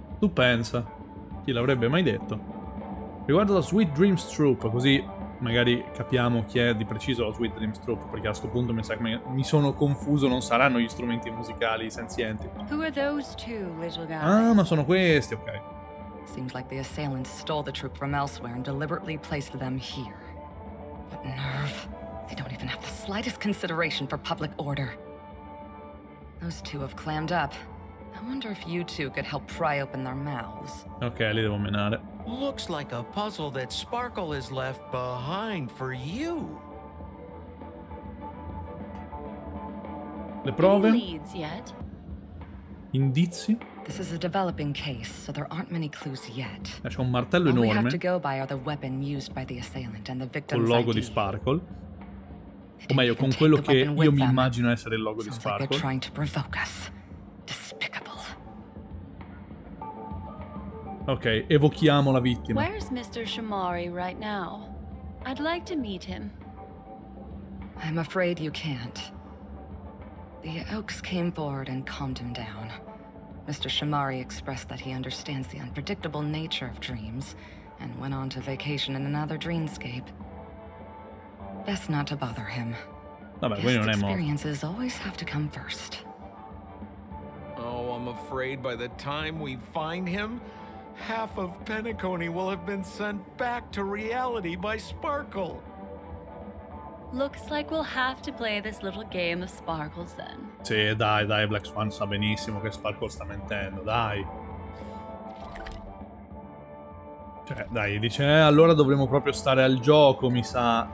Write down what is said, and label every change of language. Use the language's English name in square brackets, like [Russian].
[Italian] Tu pensa? Chi l'avrebbe mai detto? Riguardo la Sweet Dreams Troop, così magari capiamo chi è di preciso lo Sweet Dreams Troupe, perché a sto punto mi sa che mi sono confuso, non saranno gli strumenti musicali senzienti. [English] Who are those two little guys? [Italian] Ah, ma sono questi, ok. [English] Seems like the assailants stole the troupe from elsewhere and deliberately placed them here. But nerve, they don't even have the slightest consideration for public order. Those two have clammed up. I wonder if you two could help pry open their mouths. [Italian] Okay, li devo menare. [English] Looks like a puzzle that Sparkle has left behind for you. [Italian] Le prove? [English] Any leads yet? [Italian] Indizi? [English] This is a developing case, so there aren't many clues yet. [Italian] C'è un martello enorme. [English] All we have to go by are the weapon used by the assailant and the victim's [Italian] ID. Col logo di Sparkle. O meglio, con quello che io mi immagino essere il logo di Sparkle. [English] They're trying to provoke us. Despicable. [Italian] Ok, evochiamo la vittima. [English] Where's Mr. Shimari right now? I'd like to meet him. I'm afraid you can't. The Oaks came forward and calmed him down. Mr. Shimari expressed that he understands the unpredictable nature of dreams and went on to vacation in another dreamscape. Best not to bother him. [Italian] Vabbè, non è morto. [English] Experiences always have to come first. Oh, I'm afraid by the time we find him, half of Penacony will have been sent back to reality by Sparkle. Looks like we'll have to play this little game of Sparkles then. [Italian] Sì, dai, dai, Black Swan sa benissimo che Sparkle sta mentendo, dai. Cioè, dai, dice, allora dovremmo proprio stare al gioco, mi sa.